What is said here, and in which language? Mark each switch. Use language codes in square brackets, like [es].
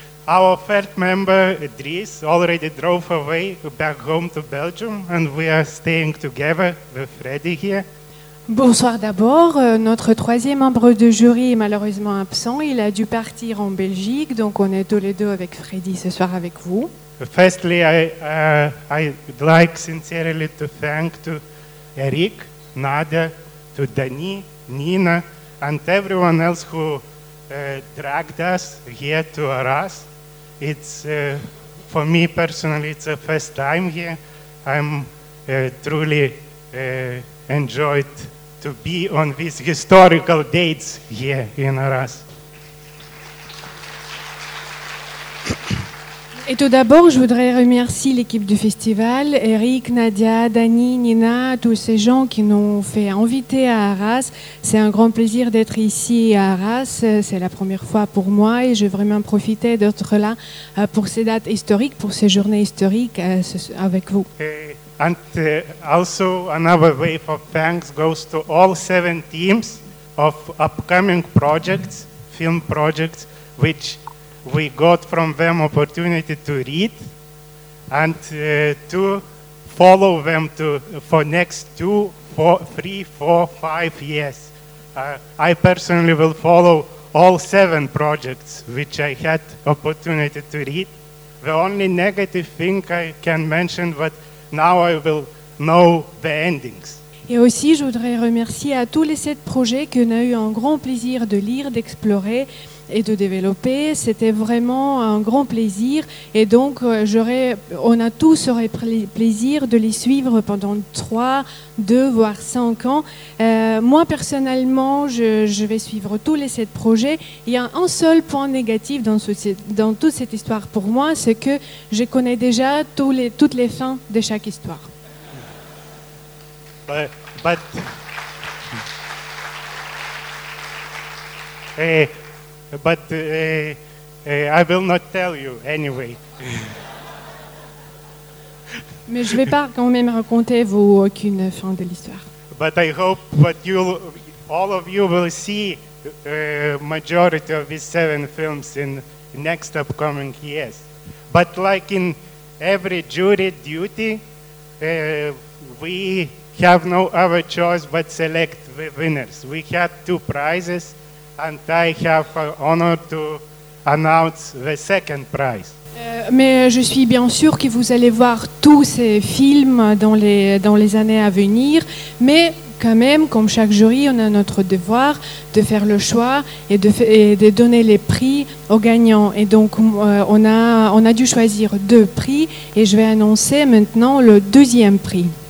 [en] our third member, Driss, already drove away back home to Belgium, and we are staying together with Freddy here. [fr] Bonsoir d'abord. Notre troisième membre de jury est malheureusement absent. Il a dû partir en Belgique, donc on est tous les deux avec Freddy ce soir avec vous. [en] Firstly, I would like sincerely to thank to Eric, Nadia, to Dani, Nina, and everyone else who dragged us here to Arras. For me personally, it's the first time here. I'm truly enjoyed to be on these historical dates here in Arras. [fr] Et tout d'abord, je voudrais remercier l'équipe du festival, Eric, Nadia, Dani, Nina, tous ces gens qui nous ont fait inviter à Arras. C'est un grand plaisir d'être ici à Arras. C'est la première fois pour moi et je veux vraiment profiter d'être là pour ces dates historiques, pour ces journées historiques avec vous. [en] And also another wave of thanks goes to all seven teams of upcoming projects, film projects, which we got from them opportunity to read and to follow them to for next two, four, three, four, 5 years. I personally will follow all seven projects which I had opportunity to read. The only negative thing I can mention was now I will know the endings. [fr] Et aussi, je voudrais remercier à tous les sept projets qu'on a eu un grand plaisir de lire, d'explorer et de développer. C'était vraiment un grand plaisir. Et donc, on a tous aurait plaisir de les suivre pendant 3, 2, voire 5 ans. Moi, personnellement, je vais suivre tous les sept projets. Il y a un seul point négatif dans toute cette histoire pour moi, c'est que je connais déjà toutes les fins de chaque histoire. [en] But I will not tell you anyway. [fr] Mais je vais pas quand même raconter vous aucune fin de l'histoire. [en] But I hope that all of you will see majority of these seven films in next upcoming years. But like in every jury duty, we have no other choice but select the winners. We had two prizes, and I have the honor to announce the second prize. [fr] Mais je suis bien sûr que vous allez voir tous ces films dans les années à venir, mais quand même, comme chaque jury, on a notre devoir de faire le choix et de donner les prix aux gagnants. Et donc, on a dû choisir deux prix, et je vais annoncer maintenant le deuxième prix.